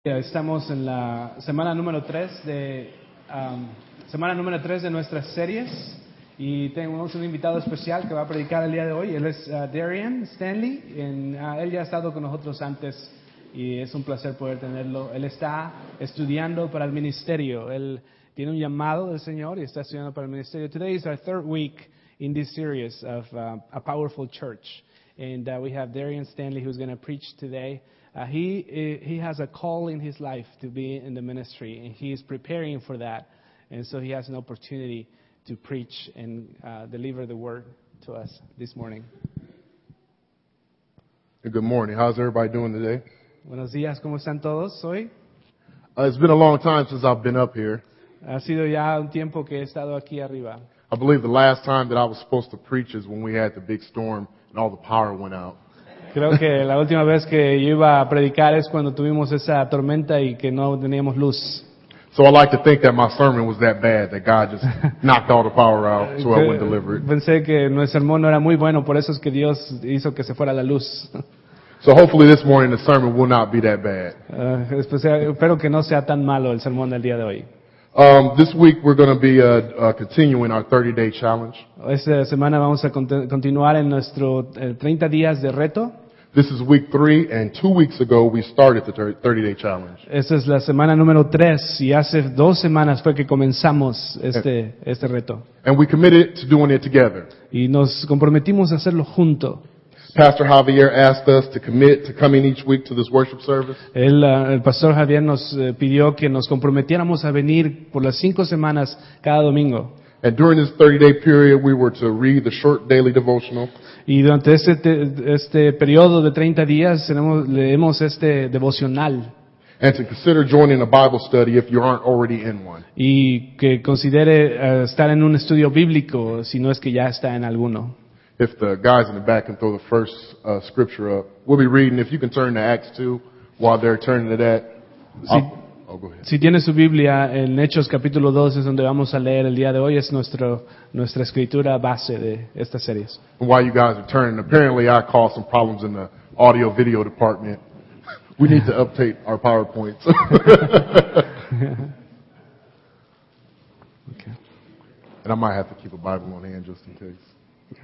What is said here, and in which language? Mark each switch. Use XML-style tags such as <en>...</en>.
<es>Estamos en la semana número 3 de nuestras series y tenemos un invitado especial que va a predicar el día de hoy. Él es Darian Stanley. Él ya ha estado con nosotros antes y es un placer poder tenerlo. Él está estudiando para el ministerio. Él tiene un llamado del Señor y está estudiando para el ministerio.</es> <en>Today is our third week in this series of A Powerful Church. And we have Darian Stanley who's going to preach today. He has a call in his life to be in the ministry, and he is preparing for that. And so he has an opportunity to preach and deliver the word to us this morning. Good morning. How's everybody doing today?</en> <es>Buenos días. ¿Cómo están todos hoy?</es> <en>It's been a long time since I've been up here.</en> <es>Ha sido ya un tiempo que he estado aquí arriba.</es> <en>I believe the last time that I was supposed to preach is when we had the big storm and all the power went out.</en> <es>Creo que la última vez que yo iba a predicar es cuando tuvimos esa tormenta y que no teníamos luz.</es> <en>So I like to think that my sermon was that bad that God just knocked all the power out so I wouldn't deliver it.</en> <es>Pensé que nuestro sermón no era muy bueno, por eso es que Dios hizo que se fuera la luz.</es> <en>So hopefully this morning the sermon will not be that bad.</en> <es>Espero que no sea tan malo el sermón del día de hoy.</es> <en>This week we're going to be continuing our 30-day challenge.</en> <es>Esta semana vamos a continuar en nuestro 30 días de reto.</es> <en>This is week 3, and 2 weeks ago we started the 30-day challenge.</en> <es>Esta es la semana número 3, y hace 2 semanas fue que comenzamos este reto.</es> <en>And we committed to doing it together.</en> <es>Y nos comprometimos a hacerlo junto.</es> <en>Pastor Javier asked us to commit to coming each week to this worship service.</en> <es>El pastor Javier nos pidió que nos comprometiéramos a venir por las 5 semanas cada domingo.</es> <en>And during this 30-day period, we were to read the short daily devotional.</en> <es>Y durante este periodo de 30 días leemos este devocional.</es> <en>And to consider joining a Bible study if you aren't already in one.</en> <es>Y que considere estar en un estudio bíblico si no es que ya está en alguno.</es> <en>If the guys in the back can throw the first scripture up, we'll be reading. If you can turn to Acts 2 while they're turning to that, I'll go ahead.</en> <es>Si tiene su Biblia, en Hechos capítulo 2 es donde vamos a leer el día de hoy. Es nuestra escritura base de estas series.</es> <en>And while you guys are turning, apparently I caused some problems in the audio video department. We need to update our PowerPoints. Okay. And I might have to keep a Bible on hand just in case.</en>